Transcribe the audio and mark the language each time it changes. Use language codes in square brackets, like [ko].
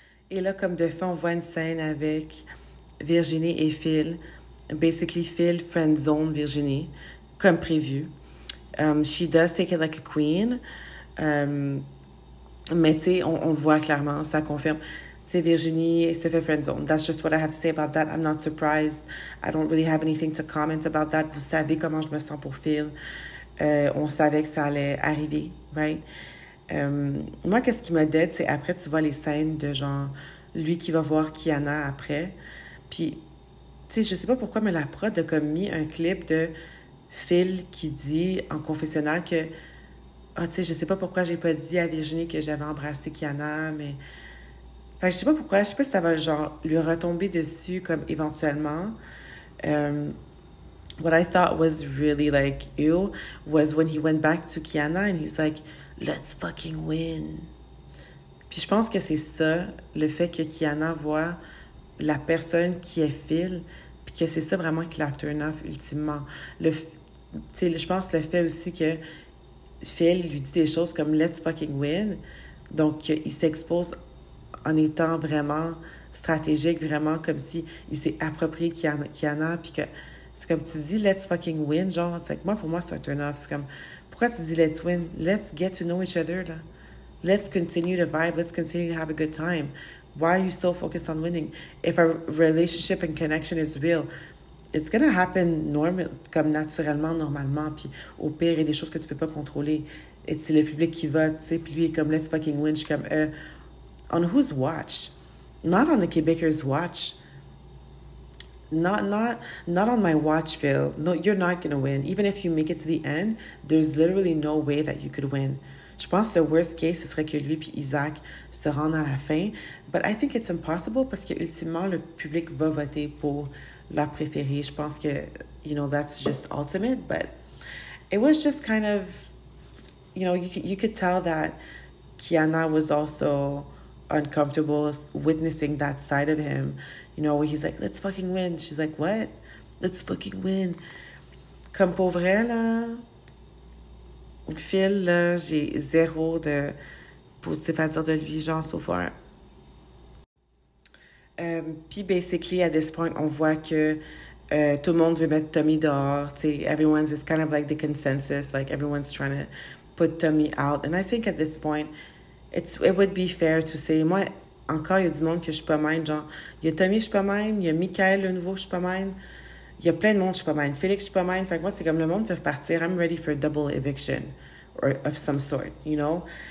[fr] Et là, comme de fait, on voit une scène avec Virginie et Phil. [en] Basically, Phil friendzone Virginie, [fr] comme prévu. [en] She does take it like a queen. [fr] Mais tu sais, on voit clairement, ça confirme. Tu sais, Virginie se fait friendzone. [en] That's just what I have to say about that. I'm not surprised. I don't really have anything to comment about that. [fr] Vous savez comment je me sens pour Phil. On savait que ça allait arriver, right? Moi, qu'est-ce qui m'a dead, c'est après, tu vois les scènes de genre, lui qui va voir Kiana après. Puis, tu sais, je sais pas pourquoi, mais la prod a comme mis un clip de Phil qui dit en confessionnal que, ah, oh, tu sais, je sais pas pourquoi j'ai pas dit à Virginie que j'avais embrassé Kiana, mais. Fait que je sais pas pourquoi, je sais pas si ça va genre lui retomber dessus, comme éventuellement. [en] What I thought was really like ew was when he went back to Kiana and he's like, let's fucking win. [fr] Puis je pense que c'est ça, le fait que Kiana voit la personne qui est Phil, puis que c'est ça vraiment qui la turn off ultimement. Tu sais, je pense le fait aussi que Phil lui dit des choses comme [en] let's fucking win, [fr] donc il s'expose en étant vraiment stratégique, vraiment comme si il s'est approprié Kiana, puis que c'est comme tu dis let's fucking win, genre, c'est comme, moi, pour moi, c'est un turn off. C'est comme, pourquoi tu dis [en] let's win? Let's get to know each other, là. Let's continue to vibe. Let's continue to have a good time. Why are you so focused on winning? If our relationship and connection is real, it's going to happen normal, [fr] comme naturellement, normalement. Puis au pire, il y a des choses que tu peux pas contrôler. Et c'est le public qui vote, tu sais. Puis lui, il est comme, [en] let's fucking win. [fr] Je suis comme, [en] on whose watch? Not on the Quebecers' watch. Not on my watch, Phil. No, you're not going to win. Even if you make it to the end, there's literally no way that you could win. [fr] Je pense que le worst case, ce serait que lui puis Isaac se rendent à la fin. [en] But I think it's impossible [fr] parce que ultimement le public va voter pour leur préféré. Je pense que, [en] you know, that's just ultimate. But it was just kind of, you know, you could tell that Kiana was also uncomfortable witnessing that side of him. You know, where he's like, let's fucking win. She's like, what? Let's fucking win. [fr] Comme pour vrai, là, Phil, là, j'ai zéro de positif à dire de lui, genre, [en] so far. [fr] Puis, [en] basically, at this point, [fr] on voit que tout le monde veut mettre Tommy dehors. [en] T'sais, everyone's, it's kind of like the consensus. Like, everyone's trying to put Tommy out. And I think at this point, it would be fair to say, [fr] moi, encore, il y a du monde que je suis pas mine. Genre, il y a Tommy, je suis pas mine. Il y a Michael, le nouveau, je suis pas mine. Il y a plein de monde, je suis pas mine. Félix, je suis pas mine. Fait que moi, c'est comme le monde peut partir. [en] I'm ready for a double eviction or of some sort, you know?